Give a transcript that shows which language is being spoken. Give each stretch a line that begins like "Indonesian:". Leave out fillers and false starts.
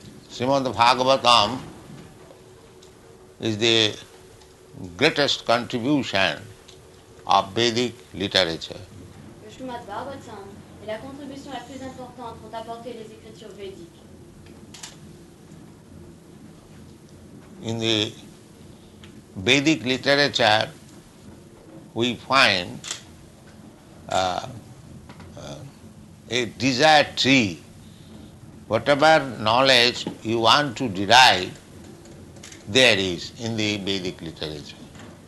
English: Srimad Bhagavatam is the greatest contribution of Vedic literature.
French: Srimad Bhagavatam est la contribution la plus importante qu'ont apporté les écritures védiques.
English: In the Vedic literature, we find a desire tree. Whatever knowledge you want to derive, there is in the Vedic literature.